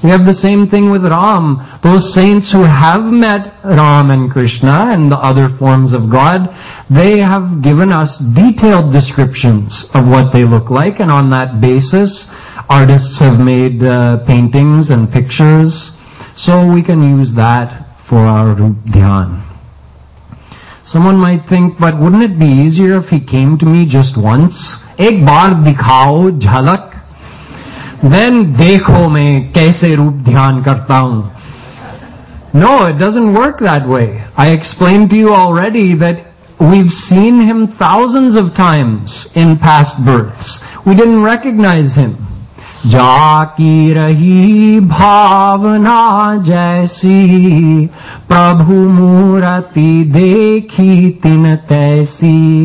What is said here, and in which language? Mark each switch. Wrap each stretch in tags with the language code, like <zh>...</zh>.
<en>We have the same thing with Ram. Those saints who have met Ram and Krishna and the other forms of God, they have given us detailed descriptions of what they look like, and on that basis, artists have made paintings and pictures. So we can use that for our Rup Dhyan. Someone might think, but wouldn't it be easier if he came to me just once?</en> <hi>एक बार दिखाओ झलक। Then देखो मैं कैसे रूप ध्यान करता हूँ।</hi> <en>No, it doesn't work that way. I explained to you already that we've seen him thousands of times in past births. We didn't recognize him.</en> <hi>Jaki rahi bhavana jaisi prabhu murati dekhi tin taisi.</hi>